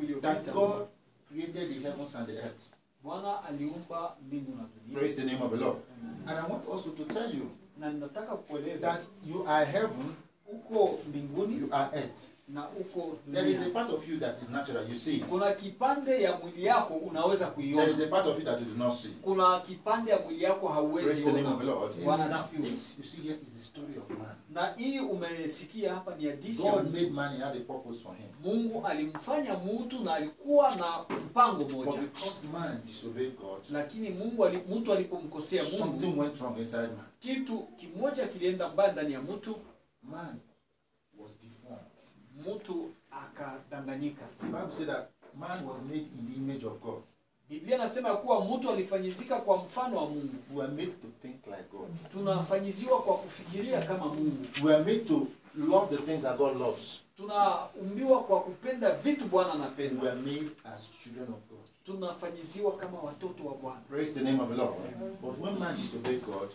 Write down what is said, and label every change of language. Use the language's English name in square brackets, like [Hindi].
[Swahili] uliopita, [English] that God created the heavens and the earth. [Swahili] Bwana aliumba mbingu na dunia. [English] Praise the name of the Lord. Amen. And I want also to tell you, [Swahili] na ninataka kukueleza, [English] that you are heaven, [Swahili] uko mbinguni, [English] you are earth, [Swahili] na uko dunia. [English] There is a part of you that is natural, you see it. [Swahili] Kuna kipande ya mwili yako unaweza kuiona. [English] There is a part of you that you do not see. [Swahili] Kuna kipande ya mwili yako hauwezi. [English] Praise the name of the Lord. [Swahili] Bwana asifiwe. [English] This you see here is the story of man. [Swahili] Na hii umesikia hapa ni hadithi. [English] God made man and had a purpose for him. [Swahili] Mungu alimfanya mtu na alikuwa na mpango mmoja. [English] But because man disobeyed God, [Swahili] lakini Mungu mtu alipomkosea Mungu, [English] something went wrong inside man. [Swahili] Kitu kimoja kilienda mbaya ndani ya mtu. [English] Man was deformed. [Swahili] Mtu akadanganyika. [English] The Bible said that man was made in the image of God. [Swahili] Biblia nasema kuwa mtu alifanyiziwa kwa mfano wa Mungu. [English] We are made to think like God. [Swahili] Tunafanyiziwa kwa kufikiria kama Mungu. [English] We are made to love the things that God loves. [Swahili] Tunaumbiwa kwa kupenda vitu Bwana anapenda. [English] We are made as children of God. [Swahili] Tunafanyiziwa kama watoto wa Bwana. [English] Praise the name of the Lord. Mm-hmm. But when man disobeys God,